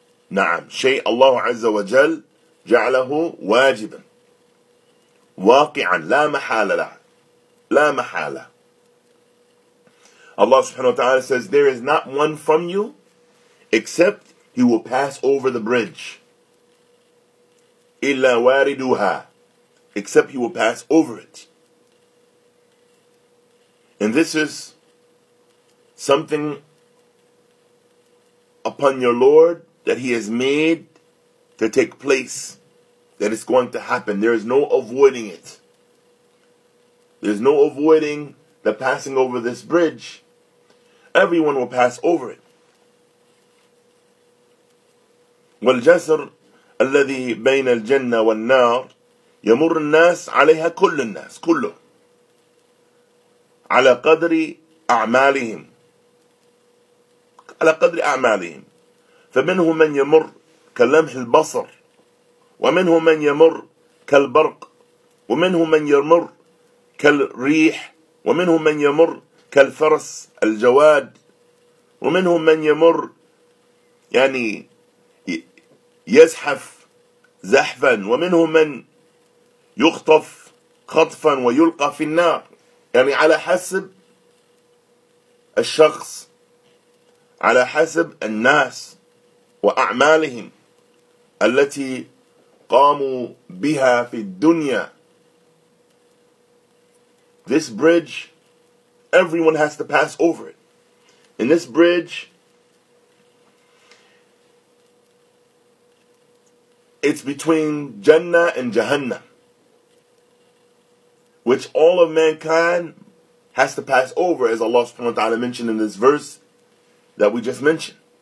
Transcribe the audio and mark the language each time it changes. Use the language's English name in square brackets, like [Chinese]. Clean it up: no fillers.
[Arabic] نعم شيء الله عز وجل جعله واجبا واقعا لا محالة له لا محالة. [English] Allah subhanahu wa ta'ala says, there is not one from you except he will pass over the bridge. [Arabic] إِلَّا وَارِدُهَا [English] except he will pass over it. And this is something upon your Lord that he has made to take place, that it's going to happen. There is no avoiding it. There's no avoiding the passing over this bridge. Everyone will pass over it. [Arabic] والجسر الذي بين الجنة والنار يمر الناس عليها كل الناس كله على قدر أعمالهم على قدر أعمالهم. فمنهم من يمر كلمح البصر ومنهم من يمر كالبرق ومنهم من يمر كالريح ومنهم من يمر كالفرس الجواد ومنهم من يمر يعني يزحف زحفا ومنهم من يخطف خطفا ويلقى في النار. يعني على حسب الشخص على حسب الناس وأعمالهم التي قاموا بها في الدنيا. [English] This bridge, everyone has to pass over it. And this bridge, it's between Jannah and Jahannam, which all of mankind has to pass over, as Allah subhanahu wa ta'ala mentioned in this verse that we just mentioned.